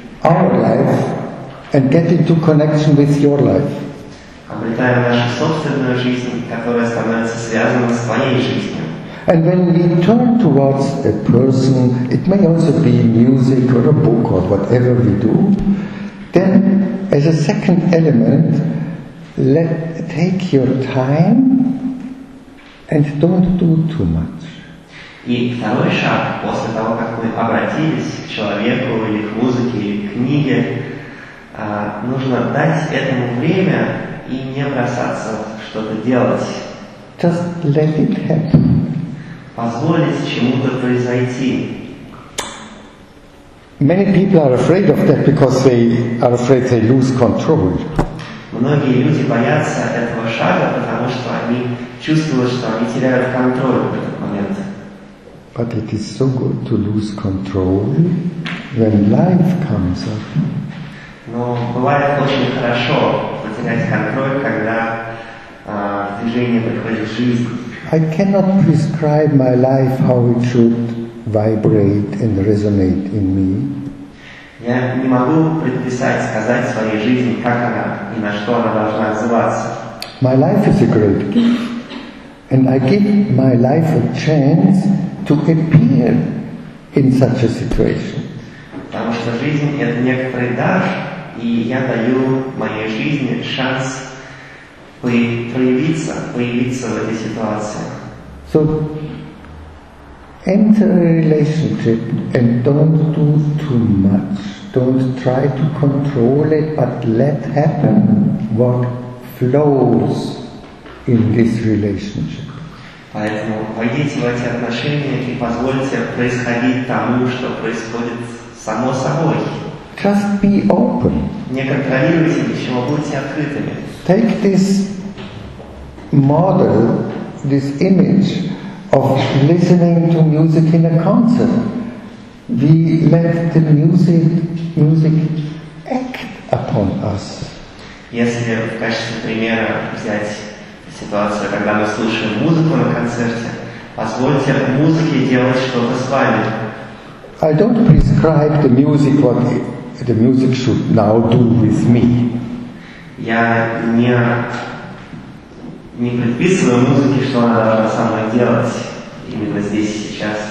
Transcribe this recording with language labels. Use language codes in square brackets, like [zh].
[en] Our life and get into connection with your life. [ru] Обретаем нашу собственную жизнь, которая становится связана с твоей жизнью. [en] And when we turn towards a person, it may also be music or a book or whatever we do, then as a second element, let take your time and don't do too much. [ru] И второй шаг, после того, как мы обратились к человеку или к музыке, или к книге, нужно дать этому время и не бросаться что-то делать. [en] Just let it happen. [ru] Позволить чему-то произойти. [en] Many people are afraid of that because they are afraid they lose control. [ru] Многие люди боятся этого шага, потому что они чувствуют, что они теряют контроль в этот момент. [en] But it is so good to lose control when life comes up. [ru] Но бывает очень хорошо потерять контроль, когда движение приходит в жизнь. [en] I cannot prescribe my life how it should vibrate and resonate in me. [ru] Я не могу предписать, сказать своей жизни, как она и на что она должна отзываться. [en] My life is a great gift, and I give my life a chance to appear in such a situation. [ru] Потому что жизнь — это некоторый дар, и я даю моей жизни шанс появиться в этой ситуации. [en] So, enter a relationship and don't do too much. Don't try to control it, but let happen what flows in this relationship. [ru] Поэтому войдите в эти отношения и позвольте происходить тому, что происходит само собой. [en] Just be open. [ru] Не контролируйте ничего, будьте открытыми. [en] Take this model, this image of listening to music in a concert. We let the music act upon us. [ru] Если в качестве примера взять ситуацию, когда мы слушаем музыку на концерте, позвольте музыке делать что-то с вами. [en] I don't prescribe the music what the music should now do with me. [ru] Я не предписываю музыке, что она должна со мной делать именно здесь сейчас.